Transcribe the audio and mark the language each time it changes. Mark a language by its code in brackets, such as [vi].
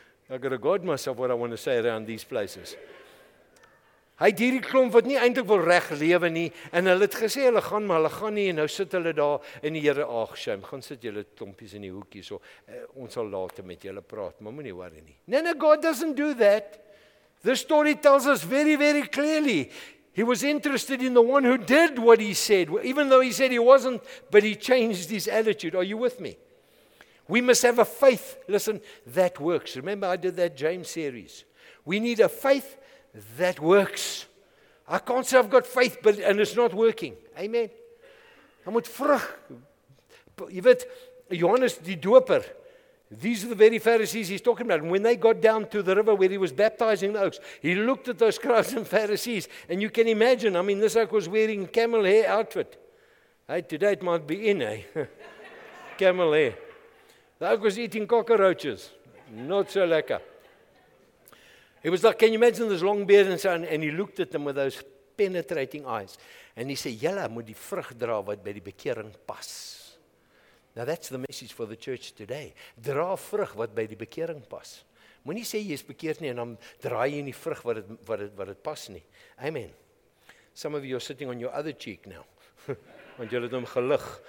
[en] I got to guard myself what I want to say around these places. [af] Hy het hierdie klomp wat nie eintlik wil reg lewe nie, en hulle het gesê, hulle gaan, maar hulle gaan nie, en nou sit hulle daar, en die Here, ag, shem, gaan sit julle klompies in die hoekie, so, ons sal later met julle praat, maar moet nie worry nie. [en] No, God doesn't do that. The story tells us very, very clearly, he was interested in the one who did what he said, even though he said he wasn't, but he changed his attitude. Are you with me? We must have a faith, listen, that works. Remember, I did that James series. We need a faith that works. I can't say I've got faith, but and it's not working. Amen. [af] Ek moet vrug. Jy weet, Johannes die Doper. [en] These are the very Pharisees he's talking about. And when they got down to the river where he was baptizing the oaks, he looked at those scribes and Pharisees. And you can imagine, I mean, this oak was wearing camel hair outfit. Hey, today it might be in, eh? Camel hair. The oak was eating cockroaches. Not so lekker. He was like, can you imagine this long beard and so on? And he looked at them with those penetrating eyes. And he said, [af] Jylle moet die vrug dra wat by die bekering pas. Now that's the message for the church today. Dra vrug wat by die bekering pas. Moenie sê jy is bekeerd nie en dan draai jy nie vrug wat het pas nie. Amen. [en] Some of you are sitting on your other cheek now. [af] Want jy het hom gelig.